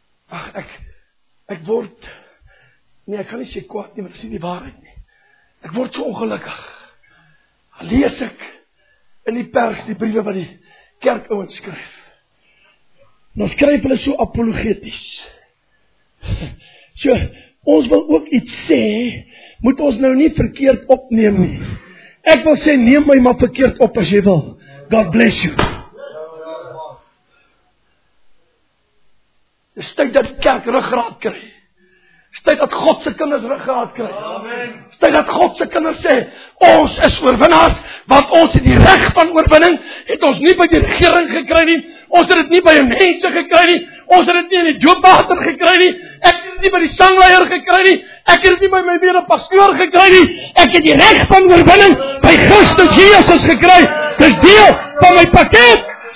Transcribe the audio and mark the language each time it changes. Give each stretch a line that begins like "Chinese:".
Afrikaans: Ag, ek word, nee, ek kan nie sê kwaad nie, maar dis nie die waarheid nie. Ek word so ongelukkig. Al lees ek in die pers die briewe wat die kerk ouens skryf. Nou skryf hulle so apologeties. So, ons wil ook iets sê, moet ons nou nie verkeerd opneem nie. Ek wil sê, neem my maar verkeerd op as jy wil.
English: God bless you.
Afrikaans: Dis tyd dat die kerk ruggraat kry. Is tyd dat God sy kinders rug gehad kry. Amen. Is tyd dat God sy kinders sê, ons is oorwinnaars, want ons het die reg van oorwinning, het ons nie by die regering gekry nie, ons het dit nie by die mense gekry nie, ons het dit nie in die doopwater gekry nie, ek het dit nie by die sangleier gekry nie, ek het dit nie by my medepastoor gekry nie, ek het die reg van oorwinning by Christus Jesus gekry, dis deel van my pakket.